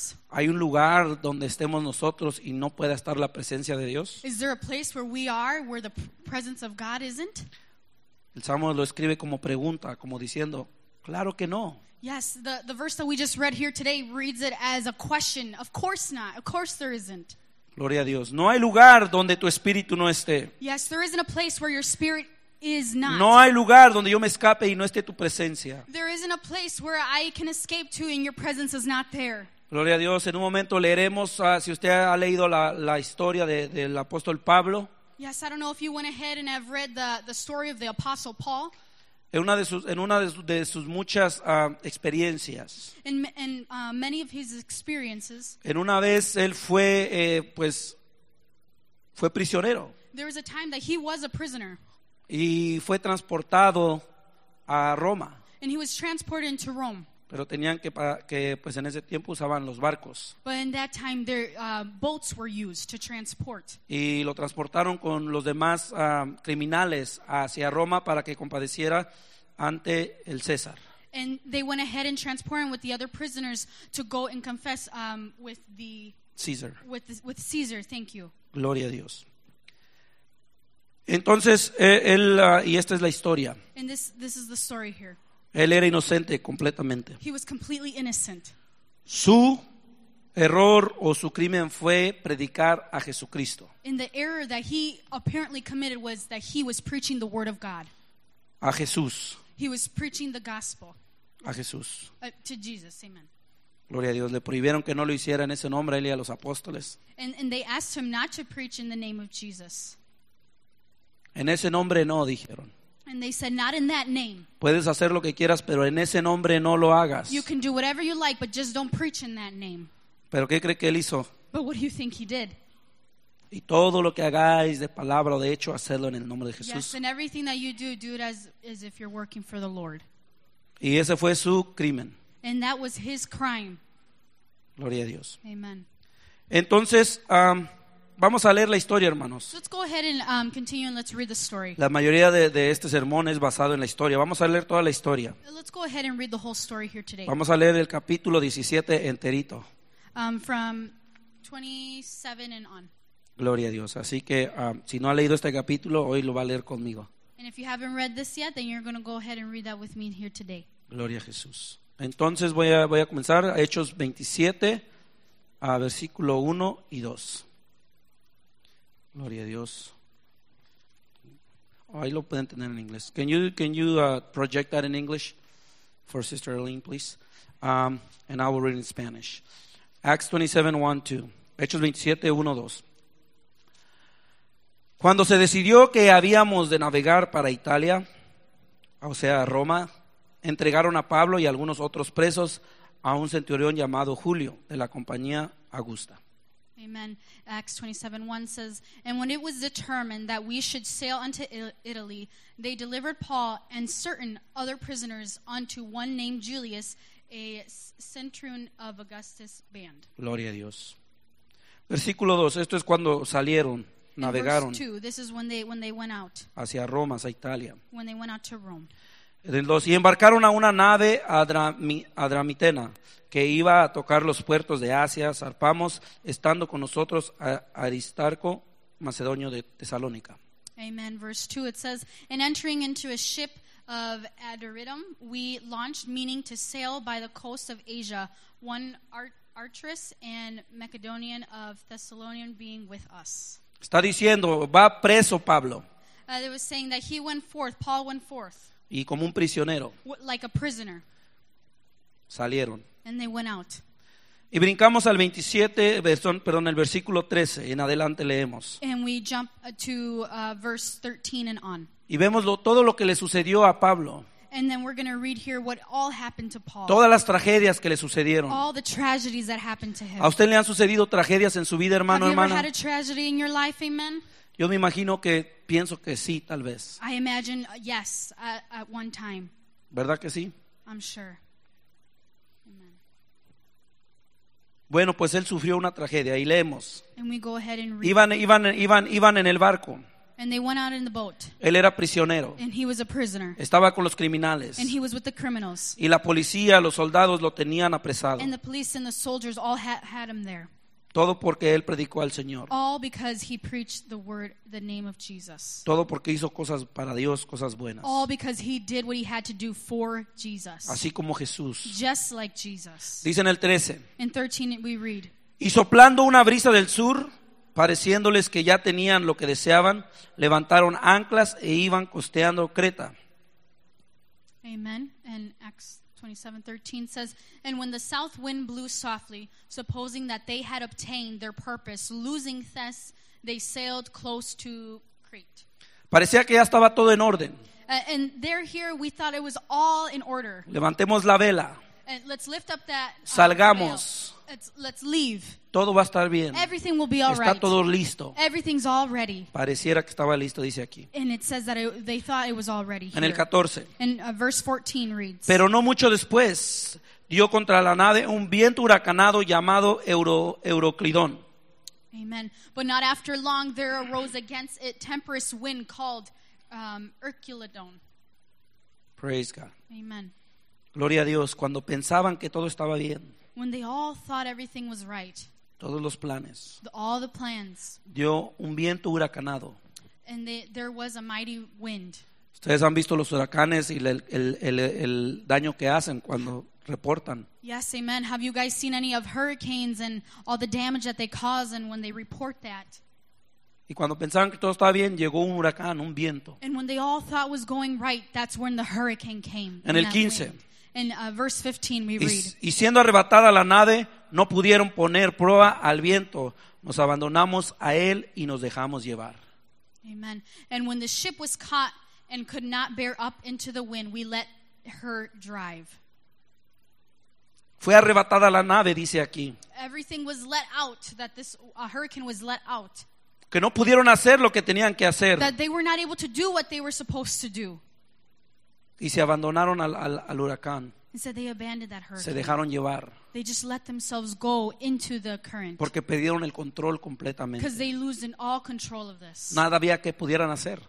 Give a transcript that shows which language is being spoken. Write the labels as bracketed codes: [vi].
[es] ¿Hay un lugar donde estemos nosotros y no pueda estar la presencia de Dios? El Salmo lo escribe como pregunta, como diciendo, claro que no. [en] Yes, the verse that we just read here today reads it as a question. Of course not. Of course there isn't. [es] Gloria a Dios. No hay lugar donde tu espíritu no esté. [en] Yes, there isn't a place where your spirit is not. [es] No hay lugar donde yo me escape y no esté tu presencia. [en] There isn't a place where I can escape to and your presence is not there. [es] Gloria a Dios. En un momento leeremos, si usted ha leído la historia del apóstol Pablo. [en] Yes, I don't know if you went ahead and have read the story of the apostle Paul. [es] En una de sus muchas experiencias. [en] Many of his experiences. [es] En una vez él fue prisionero. [en] There was a time that he was a prisoner. [es] Y fue transportado a Roma. [en] And he was transported into Rome. [es] Pero tenían que en ese tiempo usaban los barcos. [en] But in that time their boats were used to transport. [es] Y lo transportaron con los demás criminales hacia Roma para que compadeciera ante el César. [en] And they went ahead and transported with the other prisoners to go and confess with the Caesar. With Caesar, thank you. [es] Gloria a Dios. Entonces él y esta es la historia. [en] And this is the story here. [es] Él era inocente completamente. [en] He was completely innocent. [es] Su error o su crimen fue predicar a Jesucristo. [en] And the error that he apparently committed was that he was preaching the word of God. [es] A Jesús. [en] He was preaching the gospel. [es] A Jesús. [en] To Jesus, amen. [es] Gloria a Dios. Le prohibieron que no lo hiciera en ese nombre, él y a los apóstoles. [en] And they asked him not to preach in the name of Jesus. [es] En ese nombre no, dijeron. [en] And they said, not in that name. [es] Puedes hacer lo que quieras, pero en ese nombre no lo hagas. [en] You can do whatever you like, but just don't preach in that name. [es] ¿Pero qué cree que él hizo? [en] But what do you think he did? [es] Y todo lo que hagáis de palabra o de hecho, hacedlo en el nombre de Jesús. [en] Yes, and everything that you do it as if you're working for the Lord. [es] Y ese fue su crimen. [en] And that was his crime. [es] Gloria a Dios. Amen. Entonces, vamos a leer la historia, hermanos. [en] Let's go ahead and continue and let's read the story. [es] La mayoría de este sermón es basado en la historia. Vamos a leer toda la historia. [en] Let's go ahead and read the whole story here today. [es] Vamos a leer el capítulo 17 enterito. [en] From 27 and on. [es] Gloria a Dios. Así que si no ha leído este capítulo, hoy lo va a leer conmigo. [en] And if you haven't read this yet, then you're going to go ahead and read that with me here today. [es] Gloria a Jesús. Entonces voy a comenzar Hechos 27, versículo 1 y 2. Gloria a Dios. Oh, ahí lo pueden tener en inglés. [en] Can you project that in English for Sister Elaine, please? And I will read in Spanish. Acts 27:1-2. [es] Hechos 27, 1, 2. Cuando se decidió que habíamos de navegar para Italia, o sea, Roma, entregaron a Pablo y a algunos otros presos a un centurión llamado Julio, de la compañía Augusta. Amen. [en] Acts 27, 1 says, and when it was determined that we should sail unto Italy, they delivered Paul and certain other prisoners unto one named Julius, a centurion of Augustus' band. [es] Gloria a Dios. Versículo 2, esto es cuando salieron, navegaron. [en] Verse 2, this is when they went out. [es] Hacia Roma, hacia Italia. [en] When they went out to Rome. [es] Y embarcaron a una nave adramitena que iba a tocar los puertos de Asia. Zarpamos, estando con nosotros a Aristarco, macedonio de Tesalónica. Amen. [en] Verse 2, it says, in entering into a ship of Adoridum, we launched, meaning to sail by the coast of Asia, one Archeras and Macedonian of Thessalonian being with us. [es] Está diciendo, va preso Pablo. [en] It was saying that he went forth, Paul went forth. [es] Y como un prisionero. [en] Like a prisoner. [es] Salieron. [en] And they went out. [es] Y brincamos al 27, perdón, el versículo 13. En adelante leemos. [en] And we jump to verse 13 and on. [es] Y vemos todo lo que le sucedió a Pablo. [en] And then we're going to read here what all happened to Paul. [es] Todas las tragedias que le sucedieron. [en] All the tragedies that happened to him. [es] ¿A usted le han sucedido tragedias en su vida, hermano, hermana? [en] Have you ever had a tragedy in your life? Amen. [es] Yo me imagino que, pienso que sí, tal vez. [en] I imagine, yes, at one time. [es] ¿Verdad que sí? [en] I'm sure. Amen. [es] Bueno, pues él sufrió una tragedia, y leemos. [en] And we go ahead and read. [es] Iban en el barco. [en] And they went out in the boat. [es] Él era prisionero. [en] And he was a prisoner. [es] Estaba con los criminales. [en] And he was with the criminals. [es] Y la policía, los soldados lo tenían apresado. [en] And the police and the soldiers all had him there. [es] Todo porque él predicó al Señor. [en] All because he preached the word, the name of Jesus. [es] Todo porque hizo cosas para Dios, cosas buenas. [en] All because he did what he had to do for Jesus. [es] Así como Jesús. [en] Just like Jesus. [es] Dice en el 13. [en] In 13 we read. [es] Y soplando una brisa del sur, pareciéndoles que ya tenían lo que deseaban, levantaron anclas e iban costeando Creta. Amen. [en] And Acts 27:13 says, and when the south wind blew softly, supposing that they had obtained their purpose, losing Thess, they sailed close to Crete. [es] Parecía que ya estaba todo en orden. [en] And there here we thought it was all in order. [es] Levantemos la vela. [en] And let's lift up that. [es] Salgamos. [en] Let's leave. [es] Todo va a estar bien. [en] Everything will be all [es] está [en] right. [es] Está todo listo. [en] Everything's all ready. [es] Pareciera que estaba listo, dice aquí. [en] And it says that they thought it was all ready here. [es] En el 14. [en] And verse 14 reads. [es] Pero no mucho después dio contra la nave un viento huracanado llamado Euroclidón. Amen. [en] But not after long there arose against it tempestuous wind called Euroclidón. Praise God. Amen. [es] Gloria a Dios. Cuando pensaban que todo estaba bien. [en] When they all thought everything was right. [es] Todos los planes. [en] All the plans. [es] Dio un viento huracanado. [en] And there was a mighty wind. [es] Ustedes han visto los huracanes y el daño que hacen cuando reportan. [en] Yes, amen. Have you guys seen any of hurricanes and all the damage that they cause and when they report that? [es] Y cuando pensaban que todo estaba bien, llegó un huracán, un viento. [en] And when they all thought was going right, that's when the hurricane came. [es] En el 15. [en] In verse 15 we read. [es] Y siendo arrebatada la nave, no pudieron poner proa al viento. Nos abandonamos a él y nos dejamos llevar. Amen. [en] And when the ship was caught and could not bear up into the wind, we let her drive. [es] Fue arrebatada la nave, dice aquí. [en] Everything was let out, that this a hurricane was let out. [es] Que no pudieron hacer lo que tenían que hacer. [en] That they were not able to do what they were supposed to do. [es] Y se abandonaron al huracán. [en] So they abandoned that hurricane. [es] Se dejaron llevar. [en] They just let themselves go into the current. [es] Porque perdieron el control completamente. [en] Because they lose all control of this. [es] Nada había que pudieran hacer.